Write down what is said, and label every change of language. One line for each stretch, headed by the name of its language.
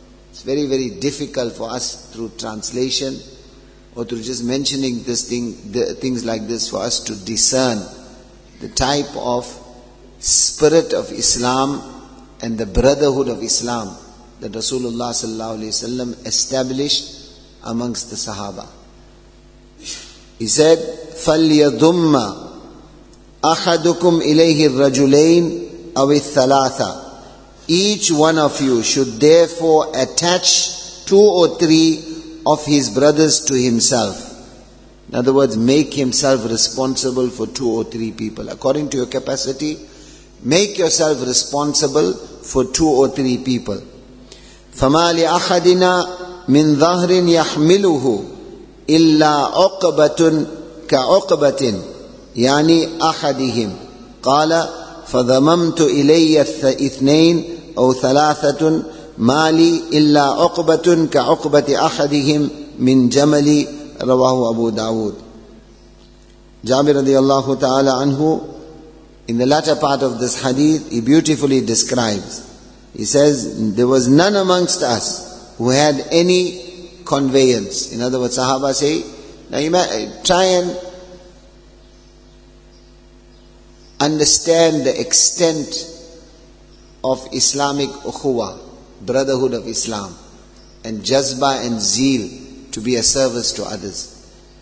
English: It's very, very difficult for us through translation or through just mentioning this thing, things like this, for us to discern the type of spirit of Islam and the brotherhood of Islam that Rasulullah sallallahu alaihi wasallam established amongst the Sahaba. He said,
Arabic: فَلْيَضُمَّ أَحَدُكُمْ إِلَيْهِ الرَّجُلَيْنِ أَوِ الثَّلَاثَ.
English: Each one of you should therefore attach two or three of his brothers to himself. In other words, make himself responsible for two or three people. According to your capacity, make yourself responsible for two or three people.
Arabic: فَمَا لِأَخَدِنَا مِنْ ظَهْرٍ يَحْمِلُهُ إِلَّا عُقْبَةٌ كَعُقْبَةٍ يعني أحدهم قال فضممت إلي اثنين أو ثلاثة ما لي إلا عقبة كعقبة أحدهم من جملي رواه أبو داود. جابر رضي الله تعالى عنه,
English: in the latter part of this hadith, he beautifully describes. He says, there was none amongst us who had any conveyance. In other words, Sahaba say, now you may try and understand the extent of Islamic ukhuwa, brotherhood of Islam, and jazba and zeal to be a service to others.